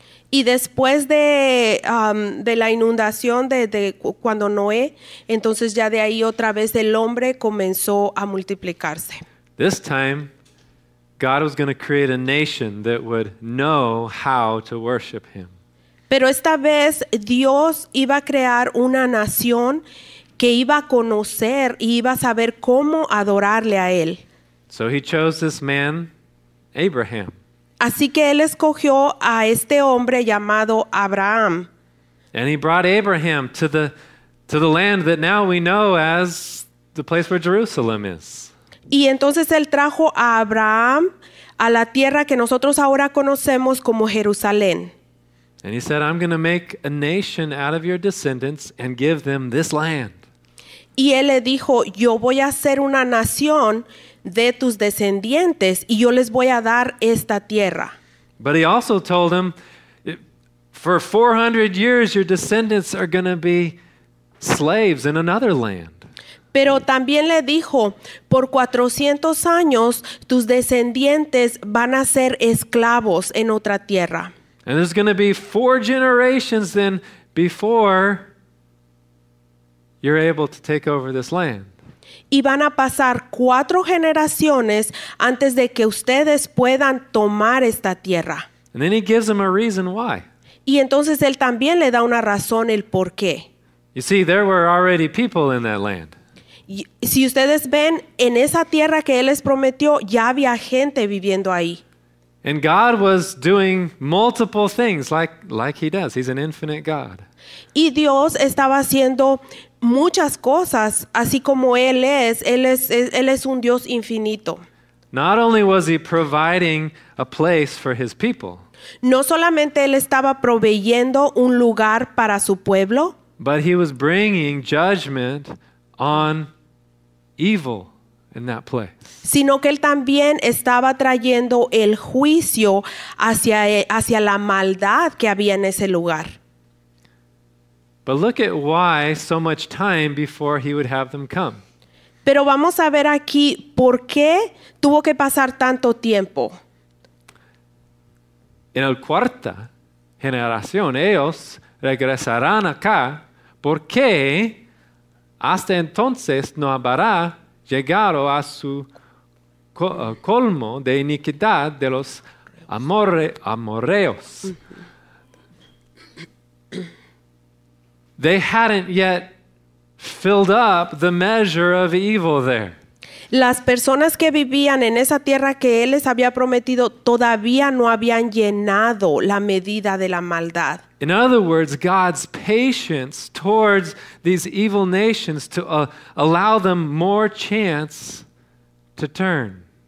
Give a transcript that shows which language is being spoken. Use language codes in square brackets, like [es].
[es] Y después de de la inundación de cuando Noé, entonces ya de ahí otra vez el hombre comenzó a multiplicarse. [en] This time, God was going to create a nation that would know how to worship him. [es] Pero esta vez Dios iba a crear una nación que iba a conocer y iba a saber cómo adorarle a él. [en] So he chose this man, Abraham. [es] Así que él escogió a este hombre llamado Abraham. [en] And he brought Abraham to the to the land that now we know as the place where Jerusalem is. [es] Y entonces él trajo a Abraham a la tierra que nosotros ahora conocemos como Jerusalén. [en] And he said, I'm going to make a nation out of your descendants and give them this land. [es] Y él le dijo, yo voy a hacer una nación de tus descendientes y yo les voy a dar esta tierra. [en] But he also told them, for 400 years your descendants are going to be slaves in another land. [es] Pero también le dijo, por 400 años, tus descendientes van a ser esclavos en otra tierra. [en] And there's going to be four generations then before you're able to take over this land. [es] Y van a pasar cuatro generaciones antes de que ustedes puedan tomar esta tierra. [en] And then he gives them a reason why. [es] Y entonces él también le da una razón el por qué. [en] You see, there were already people in that land. [es] Si ustedes ven, en esa tierra que él les prometió, ya había gente viviendo ahí. [en] And God was doing multiple things like he does. He's an infinite God. [es] Y Dios estaba haciendo muchas cosas, así como él es. Él es un Dios infinito. [en] Not only was he providing a place for his people. [es] No solamente él estaba proveyendo un lugar para su pueblo. [en] But he was bringing judgment on evil in that place. [es] Sino que él también estaba trayendo el juicio hacia la maldad que había en ese lugar. [en] But look at why so much time before he would have them come. [es] Pero vamos a ver aquí por qué tuvo que pasar tanto tiempo. En la cuarta generación ellos regresarán acá porque hasta entonces no habrá llegado a su colmo de iniquidad de los amorreos. [en] They hadn't yet filled up the measure of evil there. [es] Las personas que vivían en esa tierra que él les había prometido todavía no habían llenado la medida de la maldad. [en] In other words, God's patience towards these evil nations to allow them more chance to turn.